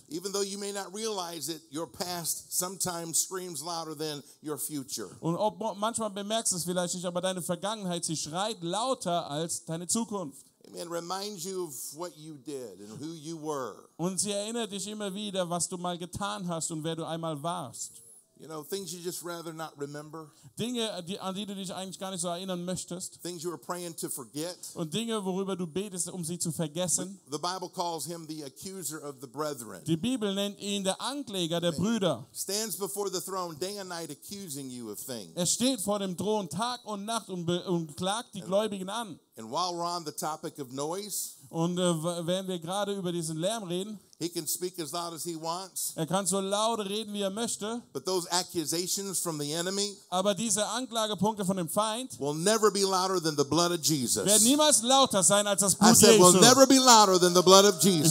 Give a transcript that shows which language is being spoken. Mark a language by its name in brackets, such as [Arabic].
[English] Even though you may not realize it, your past sometimes screams louder than your future. [German] Und ob manchmal bemerkst du es vielleicht nicht, aber deine Vergangenheit, sie schreit lauter als deine Zukunft. Amen. [English] Reminds you of what you did and who you were. [German] Und sie erinnert dich immer wieder, was du mal getan hast und wer du einmal warst. [English] You know, things you just rather not remember. [German] Dinge, an die du dich eigentlich gar nicht so erinnern möchtest. [English] Things you were praying to forget. [German] Und Dinge, worüber du betest, um sie zu vergessen. [English] The Bible calls him the accuser of the brethren. [German] Die Bibel nennt ihn der Ankläger der Brüder. [English] Stands before the throne day and night accusing you of things. [German] Er steht vor dem Thron Tag und Nacht und klagt die Gläubigen an. [English] And while we're on the topic of noise, [German] und wenn wir gerade über diesen Lärm reden, [English] he can speak as loud as he wants, [German] er kann so laut reden, wie er möchte, [English] but those accusations from the enemy, [German] aber diese Anklagepunkte von dem Feind, [English] will never be louder than the blood of Jesus. [German] Werden niemals lauter sein als das Blut [English] Jesu. I said, will never be louder than the blood of Jesus.